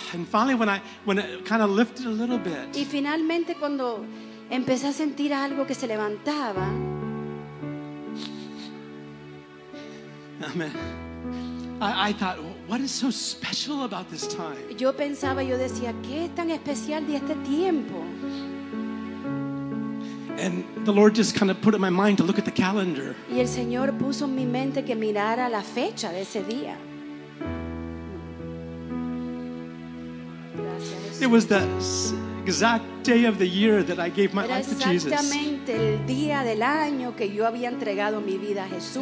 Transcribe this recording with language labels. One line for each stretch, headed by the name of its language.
English: And finally when it kind of lifted a little bit.
Spanish: Y finalmente cuando empecé a sentir algo que se levantaba.
English: Amen. I thought, what is so special about this time?
Spanish: Yo pensaba, yo decía, ¿qué es tan especial de este tiempo?
English: And the Lord just kind of put in my mind to look at the calendar.
Spanish: Y el Señor puso en mi mente que mirara la fecha de ese día.
English: It was the exact day of the year that I gave my life to Jesus.
Spanish: Exactamente el día del año que yo había entregado mi vida a Jesús.